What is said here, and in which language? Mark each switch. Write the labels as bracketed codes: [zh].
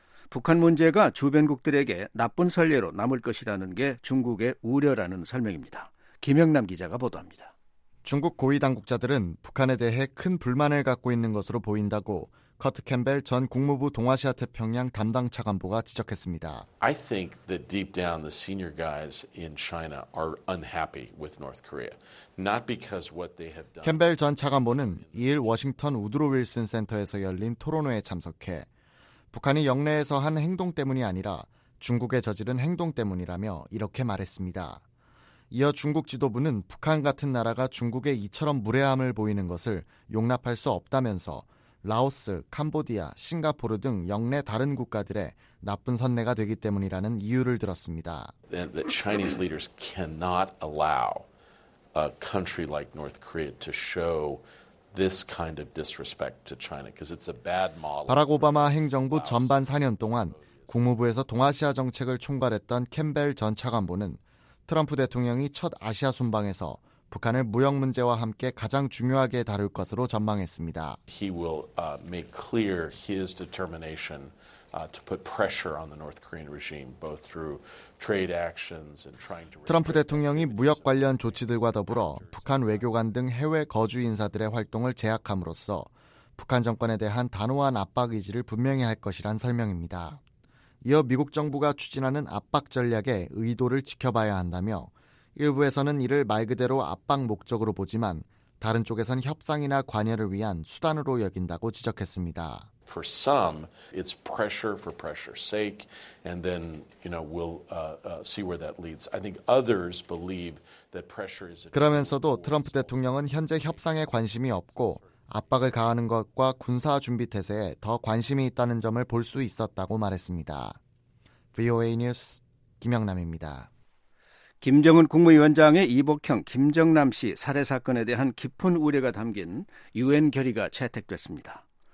[ko] 북한 문제가 주변국들에게 나쁜 선례로 남을 것이라는 게 중국의 우려라는 설명입니다. 김영남 기자가 보도합니다. 중국 고위 당국자들은 북한에 대해 큰 불만을 갖고 있는 것으로 보인다고 커트 캠벨 전 국무부 동아시아 태평양 담당 차관보가 지적했습니다. [en] I think that deep down the senior guys in China are unhappy with North Korea. Not because what they have done. [ko] 캠벨 전 차관보는 이일 워싱턴 우드로 윌슨 센터에서 열린 토론회에 참석해 북한이 영내에서 한 행동 때문이 아니라 중국에 저지른 행동 때문이라며 이렇게 말했습니다. 이어 중국 지도부는 북한 같은 나라가 중국의 이처럼 무례함을 보이는 것을 용납할 수 없다면서 라오스, 캄보디아, 싱가포르 등 영내 다른 국가들의 나쁜 선례가 되기 때문이라는 이유를 들었습니다. [en] The Chinese leaders cannot allow a country like North Korea to show this kind of disrespect to China because it's a bad model. [ko] 바락 오바마 행정부 전반 4년 동안 국무부에서 동아시아 정책을 총괄했던 캠벨 전 차관보는 트럼프 대통령이 첫 아시아 순방에서 북한을 무역 문제와 함께 가장 중요하게 다룰 것으로 전망했습니다. [en] He will make clear his determination to put pressure on the North Korean regime both through trade actions and trying to [ko] 트럼프 대통령이 무역 관련 조치들과 더불어 북한 외교관 등 해외 거주 인사들의 활동을 제약함으로써 북한 정권에 대한 단호한 압박 의지를 분명히 할 것이란 설명입니다. 이어 미국 정부가 추진하는 압박 전략의 의도를 지켜봐야 한다며 일부에서는 이를 말 그대로 압박 목적으로 보지만 다른 쪽에선 협상이나 관여를 위한 수단으로 여긴다고 지적했습니다. [en] For some, it's pressure for pressure's sake, and then you know we'll see where that leads. I think others believe that pressure is. [ko] 그러면서도 트럼프 대통령은 현재 협상에 관심이 없고 압박을 가하는 것과 군사 준비 태세에 더 관심이 있다는 점을 볼 수 있었다고 말했습니다. VOA 뉴스 김영남입니다. 김정은 국무위원장의 이복형 김정남 씨 살해 사건에 대한 깊은 우려가 담긴 유엔 결의가 채택됐습니다.